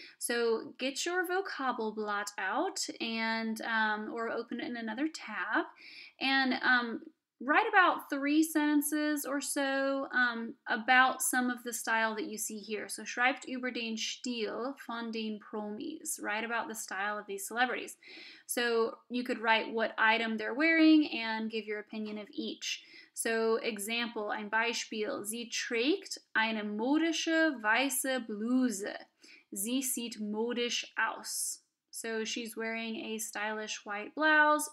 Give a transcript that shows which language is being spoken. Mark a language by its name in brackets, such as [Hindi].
[English] So get your Vokabelblatt out and or open it in another tab and write about three sentences or so about some of the style that you see here. [German] So schreibt über den Stil von den Promis. [English] Write about the style of these celebrities. So you could write what item they're wearing and give your opinion of each. So example, [German] ein Beispiel. Sie trägt eine modische weiße Bluse. Sie sieht modisch aus. [English] So she's wearing a stylish white blouse.